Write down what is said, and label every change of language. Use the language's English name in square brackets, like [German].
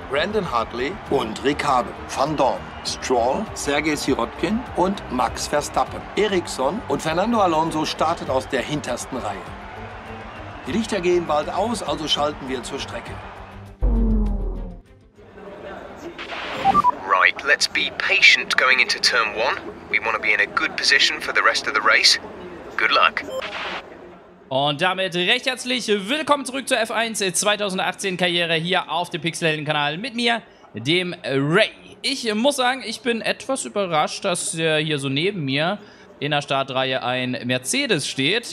[German] Brandon Hartley und Ricciardo, Van Dorn, Stroll, Sergei Sirotkin und Max Verstappen. Eriksson und Fernando Alonso startet aus der hintersten Reihe. Die Lichter gehen bald aus, also schalten wir zur Strecke. [English] Right, let's be patient going into turn one. We want to be in a good position for the rest of the race. Good luck. [German] Und damit recht herzlich willkommen zurück zur F1 2018 Karriere hier auf dem Pixelhelden Kanal mit mir, dem Ray. Ich muss sagen, ich bin etwas überrascht, dass hier so neben mir in der Startreihe ein Mercedes steht.